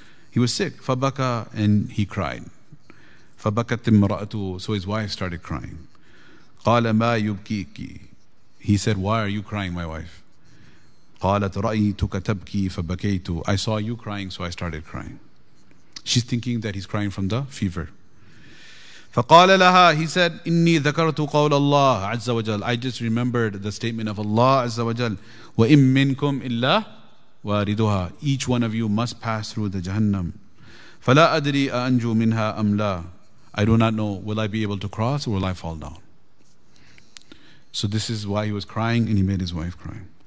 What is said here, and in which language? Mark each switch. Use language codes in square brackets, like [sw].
[en] He was sick. [ar] فَبَكَى. [en] And he cried. [ar] فَبَكَتْ مِرَأَتُهُ. [en] So his wife started crying. [ar] قَالَ مَا يُبْكِيكِ. [en] He said, why are you crying, my wife? [ar] قَالَتْ رَأَيْتُكَ تَبْكِي فَبَكَيْتُ. [en] I saw you crying, so I started crying. She's thinking that he's crying from the fever. [ar] فَقَالَ لَهَا. [en] He said, [ar] إِنِّي ذَكَرْتُ قَوْلَ اللَّهِ عَزَّ وَجَلَّ. [en] I just remembered the statement of Allah [ar] عَزَّ وَجَلَّ. وَإِمْ مِنْكُمْ إِلَّا وَارِدُهَا. [en] Each one of you must pass through the Jahannam. [ar] فَلَا أَدْرِي أَأَنْجُو مِنْهَا أَمْ لَا. [en] I do not know, will I be able to cross or will I fall down? So this is why he was crying and he made his wife cry.